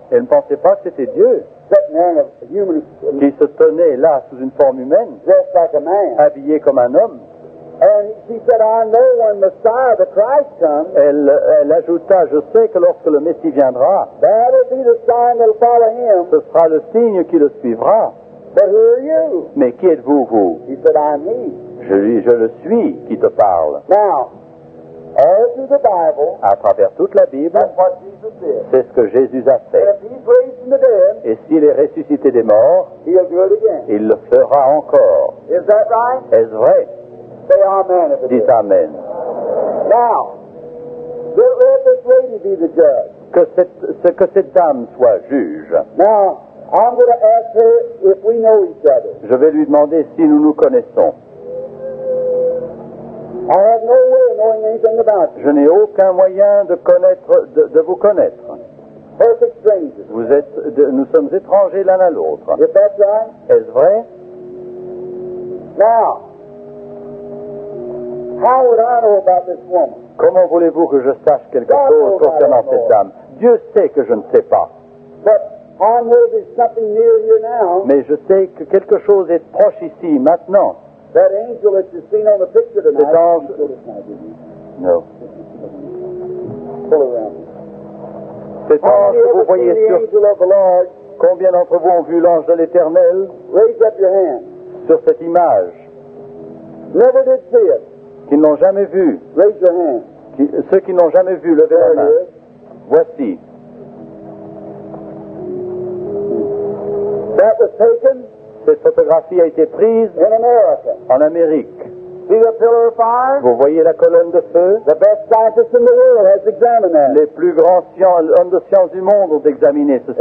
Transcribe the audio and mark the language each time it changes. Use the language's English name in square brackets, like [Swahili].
[French] Elle ne pensait pas que c'était Dieu. [English] Sitting on a human, [French] qui se tenait là sous une forme humaine. [English] Dressed like a man. [French] Habillé comme un homme. [English] And she said, I know when Messiah, the Christ, comes. [French] Elle ajouta, je sais que lorsque le Messie viendra, [English] that will be the sign that will follow him. [French] Ce sera le signe qui le suivra. [English] But who are you? [French] Mais qui êtes-vous, vous? [English] He said, I'm he. [French] Je le suis qui te parle. [English] Now, all through the Bible, [French] à travers toute la Bible, [English] that's what Jesus did. [French] C'est ce que Jésus a fait. [English] And if he's raised from the dead, [French] et s'il est ressuscité des morts, [English] he'll do it again. [French] Il le fera encore. [English] Is that right? [French] Est-ce vrai? [English] Say amen if it [French] dites [English] is. [French] Amen. [English] Now, let this lady be the judge. [French] Que cette dame soit juge. [English] Now, I'm going to ask her if we know each other. [French] Je vais lui demander si nous nous connaissons. [English] I have no way of knowing anything about you. [French] Je n'ai aucun moyen de vous connaître. [English] Perfect strangers. [French] Nous sommes étrangers l'un à l'autre. [English] Is that right? [French] Est-ce vrai? [English] Now, how would I know about this woman? [French] Comment voulez-vous que je sache quelque [English] God [French] chose concernant cette dame? Dieu sait que je ne sais pas. [English] But I know there's something near you now. [French] Mais je sais que quelque chose est proche ici, maintenant. [English] That angel that you've seen on the picture tonight. [French] Cet ange... No. [English] Pull around. [French] Cet ange que vous voyez sur... [English] Angel of the Lord? [French] Combien d'entre vous ont vu l'ange de l'Éternel? [English] Raise up your hand. [French] Sur cette image. [English] Never did see it. [French] Qui n'ont jamais vu. [English] Raise your hand. [French] Ceux qui n'ont jamais vu, levez la main. Voici. [English] That was taken. [French] Cette photographie a été prise [English] in America. [French] En Amérique. [English] See the pillar of fire? [French] Vous voyez la colonne de feu? [English] The best scientists in the world has examined that. [French] Les plus grands hommes de science du monde ont examiné ceci.